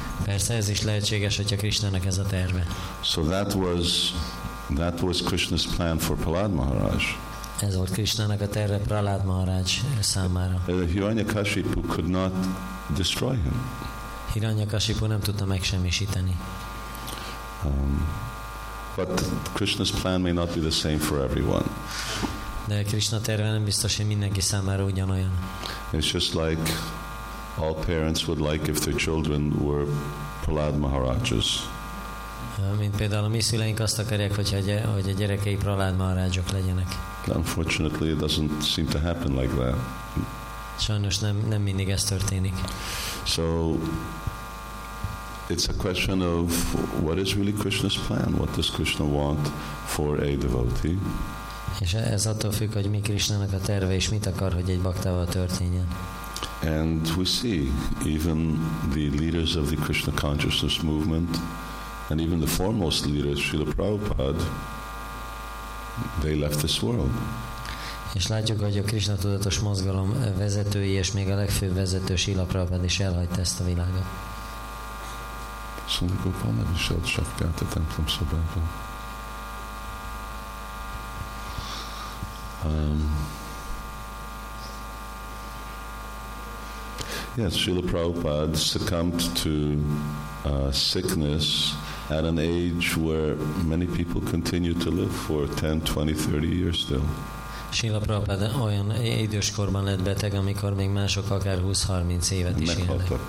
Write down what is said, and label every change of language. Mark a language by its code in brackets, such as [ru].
[hu] Persze ez is lehetséges, hogyha Krishnának ez a terve. [en] So that was Krishna's plan for Prahlad Maharaj. [hu] Ez volt Krishnának a terve Prahlad Maharaj számára. [en] Hiranyakashipu could not destroy him. [hu] Hiranyakashipu nem tudta megsemmisíteni. [en] But Krishna's plan may not be the same for everyone. [hu] De Krishna terve nem biztos, hogy mindenki számára ugyanolyan. [en] It's just like all parents would like if their children were Prahlad Maharajas. [hu] Mint például a mi szüleink azt akarják, hogy a gyerekei Prahlad Maharajok legyenek. [en] Unfortunately, it doesn't seem to happen like that. [hu] Sajnos nem mindig ez történik. [en] So it's a question of what is really Krishna's plan? What does Krishna want for a devotee? [hu] És ez attól függ, hogy mi Krishnának a terve, és mit akar, hogy egy baktával történjen. [en] And we see even the leaders of the Krishna consciousness movement, and even the foremost leaders, Srila Prabhupada, they left this world. [hu] És látjuk, hogy a Krishna tudatos mozgalom vezetői, és még a legfőbb vezető Srila Prabhupada is elhagyta ezt a világot. Srila Prabhupada nem is ott sapkát a templom szobában. [en] Yes, Srila Prabhupada succumbed to sickness at an age where many people continue to live for 10, 20, 30 years still. [hu] Srila Prabhupada olyan időskorban lett beteg, amikor még mások akár 20-30 évet is élnek.